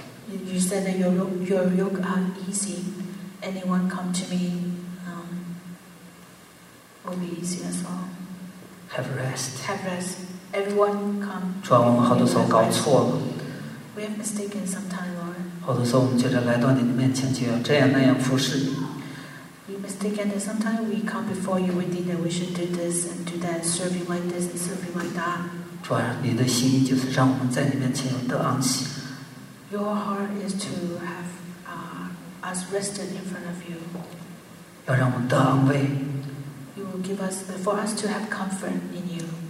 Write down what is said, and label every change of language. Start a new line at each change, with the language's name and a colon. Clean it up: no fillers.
English: You said that your yoke are easy. Anyone come to me, will be easy as well. Have rest. Have rest. Everyone come.
Chinese: 主啊，我们好多时候搞错了。
English: We have mistaken sometimes, Lord.
Chinese: 好多时候我们觉得来到你的面前就要这样那样服侍你。
English: We mistaken that sometimes we come before you, we think that we should do this and do that, serve you like this and serve you like that.
Chinese: 主啊，你的心意就是让我们在你面前有得安息。
English: Your heart is to have us rested in front of you.
Chinese: 要让我们得安慰。
English: You will give us for us to have comfort in you.